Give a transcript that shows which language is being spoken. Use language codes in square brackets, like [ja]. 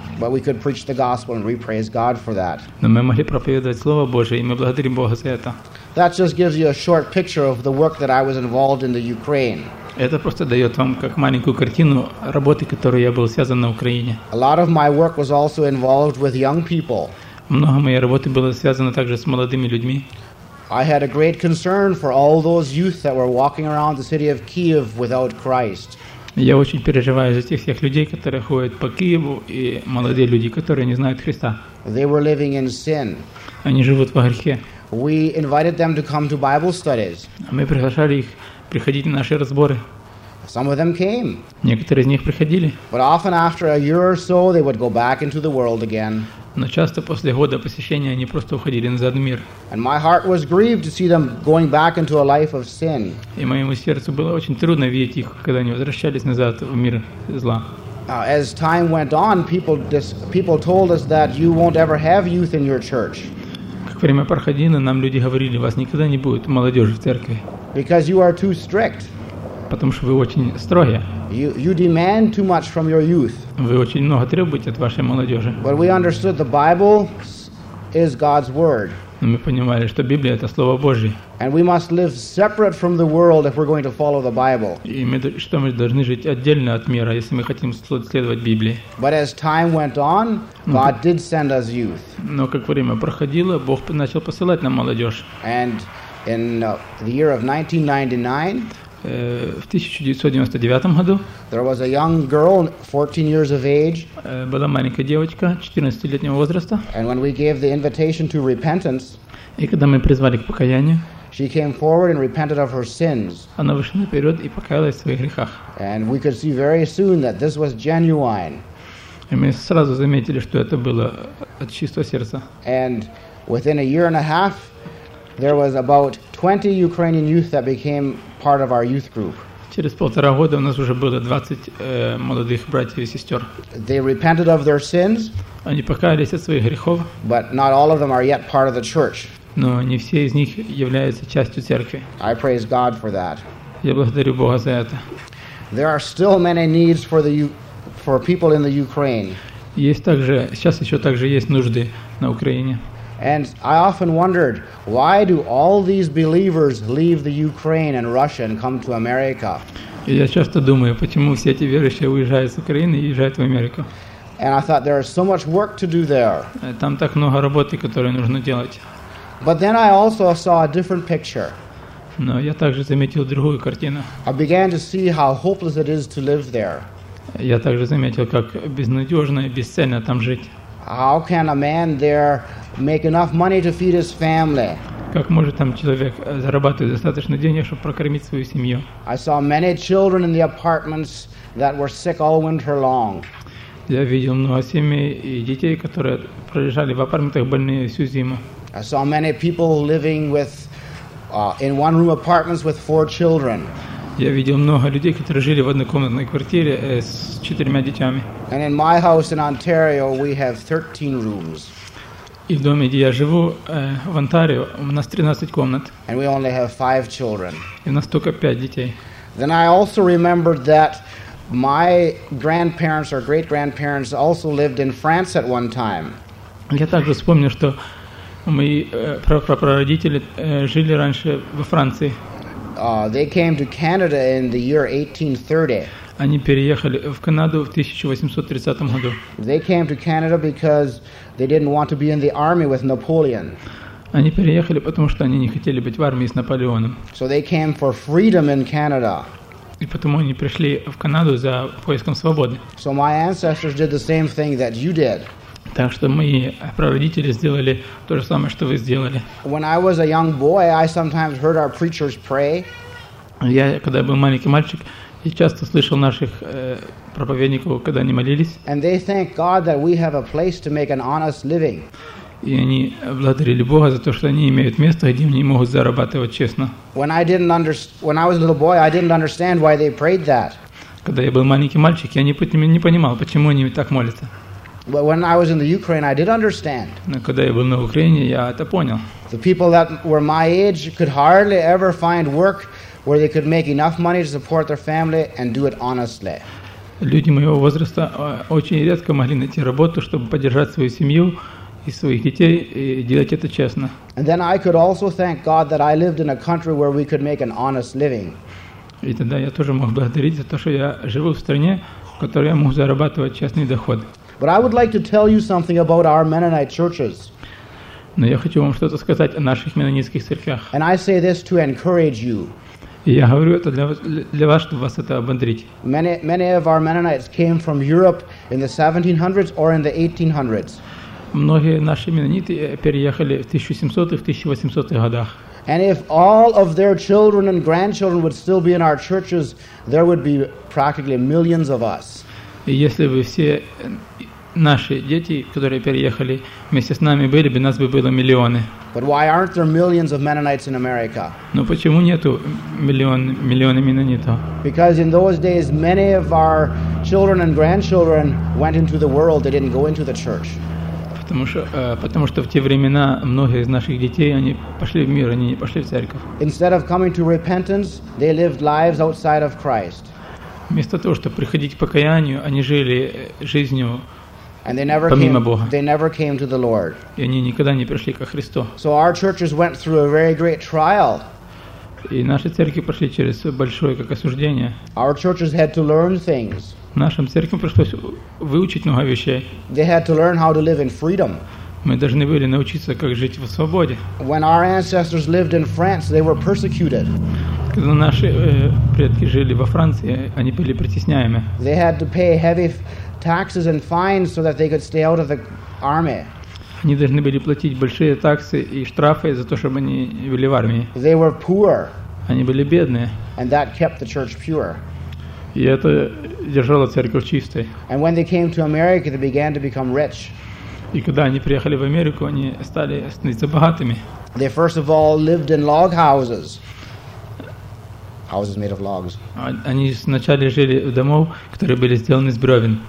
[en] But we could preach the gospel, and we praise God for that. [ru] Но мы могли проповедовать слово Божие, и мы благодарим Бога за это. [en] That just gives you a short picture of the work that I was involved in the Ukraine. [ru] Это просто дает вам как маленькую картину работы, которой я был связан на Украине. [en] A lot of my work was also involved with young people. [ru] Много моей работы было связано также с молодыми людьми. [en] I had a great concern for all those youth that were walking around the city of Kyiv without Christ. [ru] Я очень переживаю за тех всех людей, которые ходят по Киеву, и молодые люди, которые не знают Христа. [en] They were living in sin. [ru] Они живут во грехе. [en] We invited them to come to Bible studies. [ru] Мы приглашали их приходить на наши разборы. [en] Some of them came. [ru] Некоторые из них приходили. [en] But often after a year or so, they would go back into the world again. [ru] Но часто после года посещения они просто уходили назад в мир. [en] And my heart was grieved to see them going back into a life of sin. [ru] И моему сердцу было очень трудно видеть их, когда они возвращались назад в мир зла. [en] As time went on, people told us that you won't ever have youth in your church. [ru] Как время проходило, нам люди говорили, вас никогда не будет молодежи в церкви. [en] Because you are too strict. [ru] Потому что вы очень строгие. [en] You demand too much from your youth. [ru] Вы очень много требуете от вашей молодежи. [en] But we understood the Bible is God's word. [ru] Но мы понимали, что Библия — это Слово Божье. [en] And we must live separate from the world if we're going to follow the Bible. [ru] И мы должны жить отдельно от мира, если мы хотим следовать Библии. [en] But as time went on, God did send us youth. [ru] Но как время проходило, Бог начал посылать нам молодежь. [en] And in the year of 1999. [ru] В 1999 году [en] there was a young girl, 14 years of age, [ru] была маленькая девочка 14-летнего возраста. [en] And when we gave the invitation to repentance, [ru] и когда мы призвали к покаянию, [en] she came forward and repented of her sins. [ru] Она вышла наперед и покаялась в своих грехах. [en] And we could see very soon that this was genuine. [ru] И мы сразу заметили, что это было от чистого сердца. [en] And within a year and a half, there was about 20 Ukrainian youth that became part of our youth group. [ru] Через полтора года у нас уже было 20 молодых братьев и сестер. [en] They repented of their sins. [ru] Они покаялись от своих грехов. [en] But not all of them are yet part of the church. [ru] Но не все из них являются частью церкви. [en] I praise God for that. [ru] Я благодарю Бога за это. [en] There are still many needs for people in the Ukraine. [ru] Есть также сейчас еще также есть нужды на Украине. [en] And I often wondered, why do all these believers leave the Ukraine and Russia and come to America? [ru] Я часто думаю, почему все эти верующие уезжают из Украины и езжают в Америку. [en] And I thought, there is so much work to do there. [ru] Там так много работы, которую нужно делать. [en] But then I also saw a different picture. [ru] Но я также заметил другую картину. [en] I began to see how hopeless it is to live there. [ru] Я также заметил, как безнадежно и бесцельно там жить. [en] How can a man there make enough money to feed his family? [ru] Как может там человек зарабатывать достаточно денег, чтобы прокормить свою семью? [en] I saw many children in the apartments that were sick all winter long. [ru] Я видел много семей и детей, которые пролежали в апартаментах больные всю зиму. [en] I saw many people living with in one room apartments with four children. [ru] Я видел много людей, которые жили в однокомнатной квартире с четырьмя детьми. [en] And in my house in Ontario, we have 13 rooms. [ru] И в доме, где я живу, в Онтарио, у нас 13 комнат. [en] And we only have 5 children. [ru] И у нас только 5 детей. [en] Then I also remembered that my grandparents or great-grandparents also lived in France at one time. [ru] Я также вспомнил, что мои прапрапрародители жили раньше во Франции. [en] They came to Canada in the year 1830. [ru] Они переехали в Канаду в 1830 году. [en] They came to Canada because they didn't want to be in the army with Napoleon. [ru] Они переехали, потому что они не хотели быть в армии с Наполеоном. [en] So they came for freedom in Canada. [ru] И потому они пришли в Канаду за поиском свободы. [en] So my ancestors did the same thing that you did. [ru] Так что мои прародители сделали то же самое, что вы сделали. [en] When I was a young boy, I sometimes heard our preachers pray. [ru] Я, когда был маленький мальчик, я часто слышал наших проповедников, когда они молились. [en] And they thank God that we have a place to make an honest living. [ru] И они благодарили Бога за то, что они имеют место, где они могут зарабатывать честно. [en] When I was a little boy, I didn't understand why they prayed that. [ru] Когда я был маленьким мальчик, я не понимал, почему они так молятся. [en] But when I was in the Ukraine, I did understand. [ru] Но когда я был на Украине, я это понял. [en] The people that were my age could hardly ever find work where they could make enough money to support their family and do it honestly. [ru] Люди моего возраста очень редко могли найти работу, чтобы поддержать свою семью и своих детей, и делать это честно. [en] And then I could also thank God that I lived in a country where we could make an honest living. [ru] И тогда я тоже мог благодарить за то, что я живу в стране, в которой я мог зарабатывать честный доход. [en] But I would like to tell you something about our Mennonite churches. [ru] Но я хочу вам что-то сказать о наших меннонитских церквях. [en] And I say this to encourage you. [ru] И я говорю это для вас, чтобы вас это ободрить. [en] Many of our Mennonites came from Europe in the 1700s or in the 1800s. [ru] Многие наши меннониты переехали в 1700-1800 годах. [en] And if all of their children and grandchildren would still be in our churches, there would be practically millions of us. [ru] И если бы все наши дети, которые переехали вместе с нами, были бы, нас бы было миллионы. [en] But why aren't there millions of Mennonites in America? [ru] Но почему нету миллионы меннонитов? [en] Because in those days, many of our children and grandchildren went into the world, they didn't go into the church. [ru] Потому что в те времена многие из наших детей, они пошли в мир, они не пошли в церковь. [en] Instead of coming to repentance, they lived lives outside of Christ. [ru] Вместо того, чтобы приходить к покаянию, они жили жизнью помимо Бога. [en] They never came to the Lord. [ru] И они никогда не пришли ко Христу. [en] So our churches went through a very great trial. [ru] И наши церкви прошли через большое как осуждение. [en] Our churches had to learn things. [ru] Нашим церквям пришлось выучить много вещей. [en] They had to learn how to live in freedom. [ru] Мы должны были научиться, как жить в свободе. [en] When our ancestors lived in France, they were persecuted. [ru] Когда наши предки жили во Франции, они были притесняемы. [en] They had to pay heavy taxes and fines so that they could stay out of the army. [ru] Они должны были платить большие таксы и штрафы за то, чтобы они были в армии. [en] They were poor. [ru] Они были бедные. [en] And that kept the church pure. [ru] И это держало церковь чистой. [en] And when they came to America, they began to become rich. [ru] И когда они приехали в Америку, они стали становиться богатыми. [en] They first of all lived in log houses. Houses made of logs. [ru] Они сначала жили в домах, которые были сделаны из бревен.